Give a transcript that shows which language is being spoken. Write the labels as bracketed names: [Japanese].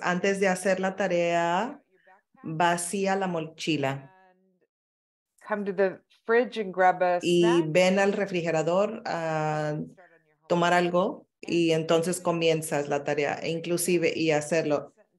[Spanish] Antes de hacer la tarea, vacía la mochila. [English] Come to the fridge and grab a snack. [Spanish] Y ven al refrigerador a tomar algo y entonces comienzas la tarea, inclusive, y hacerlo.